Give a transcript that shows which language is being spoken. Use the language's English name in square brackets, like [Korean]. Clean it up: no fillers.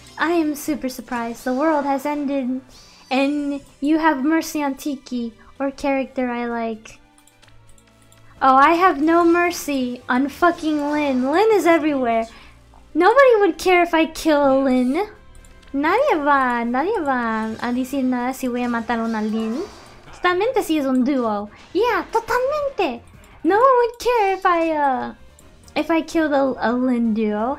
[English] I am super surprised. The world has ended. And you have mercy on Tiki, or character I like. Oh, I have no mercy on fucking Lin. Lin is everywhere. Nobody would care if I kill a Lin. [Spanish] Nadie va a decir nada si voy a matar una Lin. Totalmente si es un duo. Yeah, totalmente. [English] No one would care if I killed a Lin duo.